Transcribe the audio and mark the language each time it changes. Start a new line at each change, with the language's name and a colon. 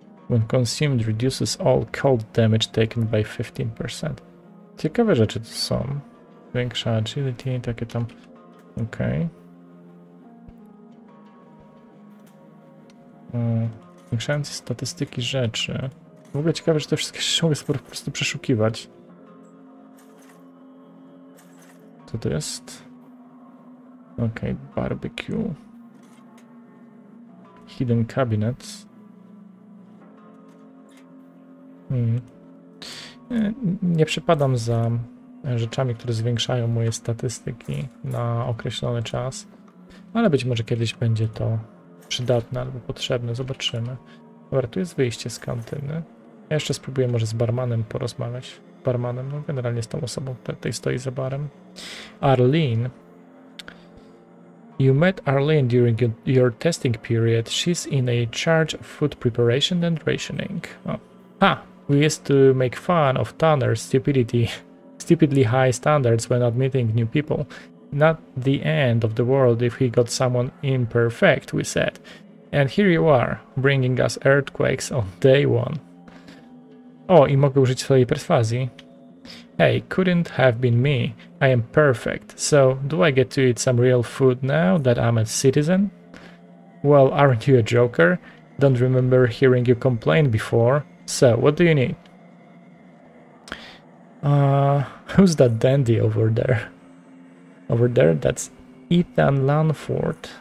English: When consumed, reduces all cold damage taken by 15%.
Polish: Ciekawe rzeczy to są. Większa agility, takie tam. Ok. Zwiększając statystyki rzeczy. W ogóle ciekawe, że te wszystkie rzeczy mogę sobie po prostu przeszukiwać. Co to jest? Ok, barbecue.
English: Hidden cabinet.
Polish: Nie przepadam za rzeczami, które zwiększają moje statystyki na określony czas, ale być może kiedyś będzie to przydatne albo potrzebne, zobaczymy. Dobra, tu jest wyjście z kantyny. Ja jeszcze spróbuję może z barmanem porozmawiać. Barmanem, no generalnie z tą osobą, która tutaj stoi za barem. Arlene.
English: You met Arlene during your testing period. She's in a charge of food preparation and rationing. Oh. Ah, we used to make fun of Tanner's stupidity. Stupidly high standards when admitting new people. Not the end of the world if he got someone imperfect, we said. And here you are, bringing us earthquakes on day one.
Polish: O, i mogę użyć swojej perswazji.
English: Hey, couldn't have been me. I am perfect. So, do I get to eat some real food now that I'm a citizen? Well, aren't you a joker? Don't remember hearing you complain before. So, what do you need? Who's that dandy over there? Over there, that's Ethan Lanford.